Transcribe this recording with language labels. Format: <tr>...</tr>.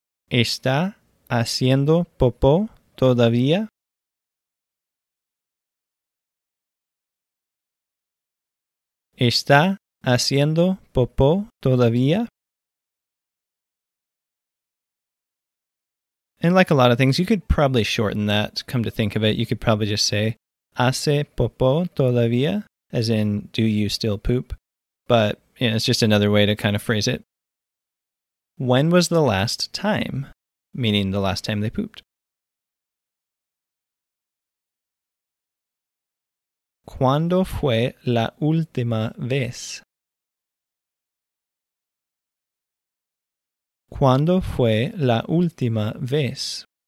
<es>¿Está haciendo popó todavía? ¿Está haciendo popó todavía?</es> <en>And like a lot of things, you could probably shorten that, come to think of it. You could probably just say,</en> <es>¿hace popó todavía?</es> <en>As in, do you still poop? But you know, it's just another way to kind of phrase it. When was the last time? Meaning the last time they pooped.</en> <es>¿Cuándo fue la última vez? ¿Cuándo fue la última vez?</es>